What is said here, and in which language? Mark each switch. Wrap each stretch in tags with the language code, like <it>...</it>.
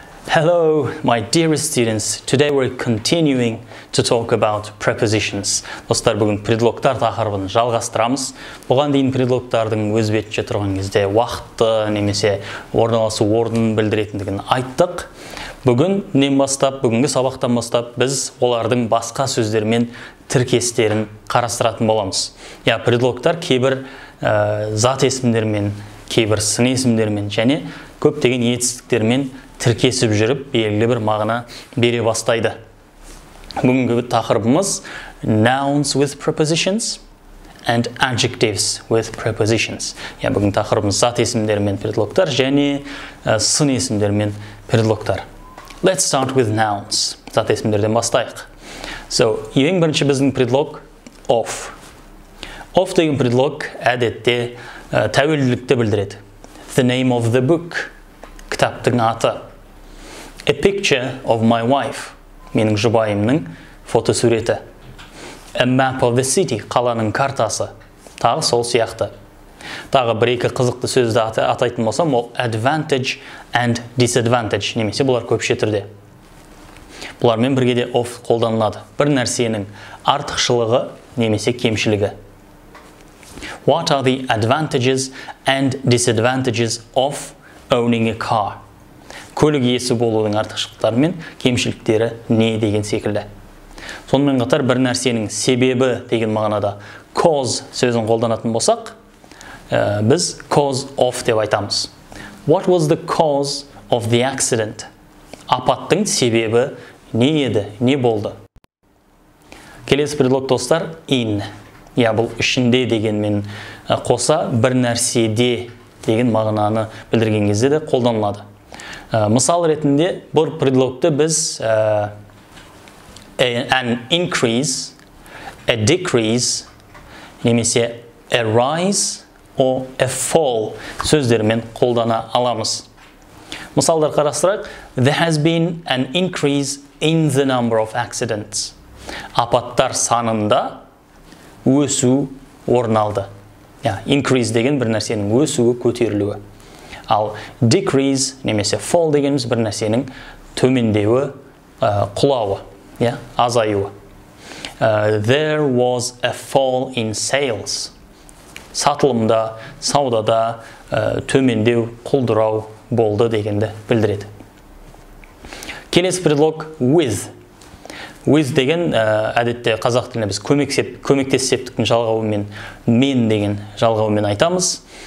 <en>Hello, my dearest students. Today we're continuing to talk about prepositions.</en> <kk>Достар, бүгін предлогтар тақырыбын жалғастырамыз. Бұған дейін предлогтардың өз бетінше тұрған кезде уақытты немесе орналасу орнын білдіретіндігін айттық. Бүгінгі сабақтан бастап біз олардың басқа сөздермен тіркестерін қарастыратын боламыз. Я, предлогтар кейбір зат есімдермен, кейбір сын есімдермен және көптеген етістіктермен тіркесіп жүріп, белгілі бір мағына бере бастайды. Бүгінгі тақырыбымыз</kk> <en>nouns with prepositions and adjectives with prepositions.</en> <kk>Я, бүгін тақырыбымыз зат есімдермен предлогтар және сын есімдермен предлогтар.</kk> <en>Let's start with nouns.</en> <kk>Зат есімдерден бастайық. So, ең бірінші біздің предлог of. Of деген предлог әдетте тәуелділікті білдіреді.</kk> <en>The name of the book.</en> <kk>Кітаптың аты.</kk> <en>A picture of my wife.</en> <kk>Менің жұбайымның фотосуреті.</kk> <en>A map of the city.</en> <kk>Қаланың картасы. Тағы сол сияқты. Тағы бір-екі қызықты сөзді атайтын болсам, ол advantage and disadvantage. Немесе бұлар көпше түрде. Бұлармен бірге де of қолданылады. Бір нәрсенің артықшылығы немесе кемшілігі.</kk> <en>What are the advantages and disadvantages of owning a car?</en> <kk>Көлік иесі болудың артықшылықтары мен кемшіліктері не деген секілді. Сонымен қатар бір нәрсенің себебі деген мағынада cause сөзін қолданатын болсақ, біз cause of деп айтамыз.</kk> <en>What was the cause of the accident?</en> <kk>Апаттың себебі не еді, не болды? Келесі предлог достар, in. Я, бұл ішінде дегенмен қоса бір нәрседе деген мағынаны білдірген кезде де қолданылады. Мысал ретінде бұл предлогты біз an increase, a decrease, немесе a rise or a fall сөздерімен қолдана аламыз. Мысалдар қарастырайық.</kk> <en>There has been an increase in the number of accidents.</en> <kk>Апаттар санында өсу орын алды. Increase деген бір нәрсенің өсуі, көтерілуі. Ал decrease немесе fall дегеніміз бір нәрсенің төмендеуі, құлауы, азаюы.</kk> <en>There was a fall in sales.</en> <kk>Сатылымда, саудада төмендеу, құлдырау болды дегенді білдіреді. Келесі предлог with. With деген әдетте қазақ тіліне біз көмектесептіктің жалғауымен, мен деген жалғауымен айтамыз.</kk>